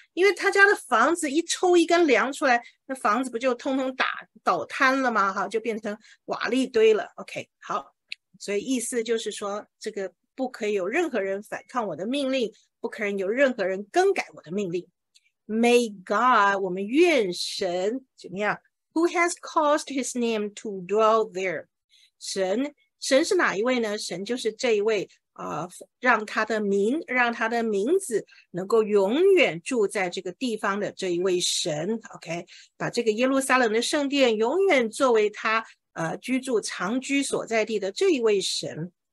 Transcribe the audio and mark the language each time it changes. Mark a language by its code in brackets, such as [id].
[zh] 因为他家的房子一抽一根梁出来，那房子不就通通倒塌了吗？哈，就变成瓦砾堆了。OK， 好，所以意思就是说，这个不可以有任何人反抗我的命令，不可以有任何人更改我的命令。 [en] May God， [zh] 我们愿神怎么样 [en] ？Who has caused His name to dwell there？ [zh] 神是哪一位呢？神就是这一位啊、让他的名字能够永远住在这个地方的这一位神。 OK， 把这个耶路撒冷的圣殿永远作为他居住长居所在地的这一位神。